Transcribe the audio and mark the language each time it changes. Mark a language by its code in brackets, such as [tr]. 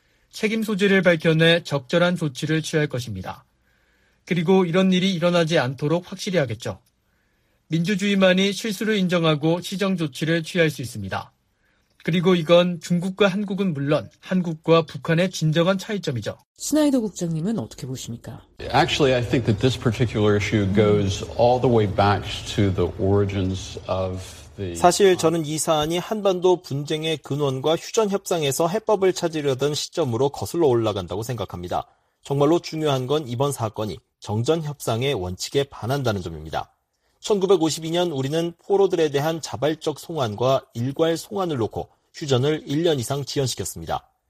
[ko] 책임 소재를 밝혀내 적절한 조치를 취할 것입니다. 그리고 이런 일이 일어나지 않도록 확실히 하겠죠. 민주주의만이 실수를 인정하고 시정 조치를 취할 수 있습니다. 그리고 이건 중국과 한국은 물론 한국과 북한의 진정한 차이점이죠. 스나이더 국장님은 어떻게 보십니까? [en] Actually, I think that this particular issue goes all the way back to the origins of [ko] 사실 저는 이 사안이 한반도 분쟁의 근원과 휴전 협상에서 해법을 찾으려던 시점으로 거슬러 올라간다고 생각합니다. 정말로 중요한 건 이번 사건이 정전 협상의 원칙에 반한다는 점입니다. 1952년 우리는 포로들에 대한 자발적 송환과 일괄 송환을 놓고 휴전을 1년 이상 지연시켰습니다.